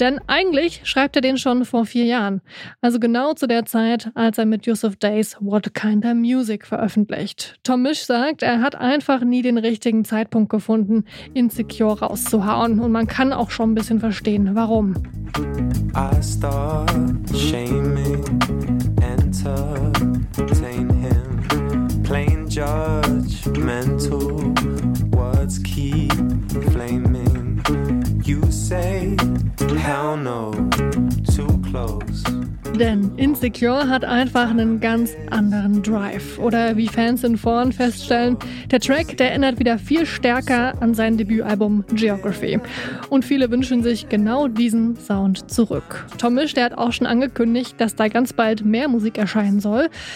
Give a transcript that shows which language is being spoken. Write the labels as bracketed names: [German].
[German] Denn eigentlich schreibt er den schon vor 4 Jahren. Also genau zu der Zeit, als er mit Yusuf Days What Kind of Music veröffentlicht. Tom Misch sagt, er hat einfach nie den richtigen Zeitpunkt gefunden, Insecure rauszuhauen. Und man kann auch schon ein bisschen verstehen, warum. [English] I start shaming. Entertain him, plain judgmental words keep flaming. You say, hell no, too close. [German] Denn Insecure hat einfach einen ganz anderen Drive. Oder wie Fans in Foren feststellen, der Track, der erinnert wieder viel stärker an sein Debütalbum Geography. Und viele wünschen sich genau diesen Sound zurück. Tom Misch, der hat auch schon angekündigt, dass da ganz bald mehr Musik erscheinen soll.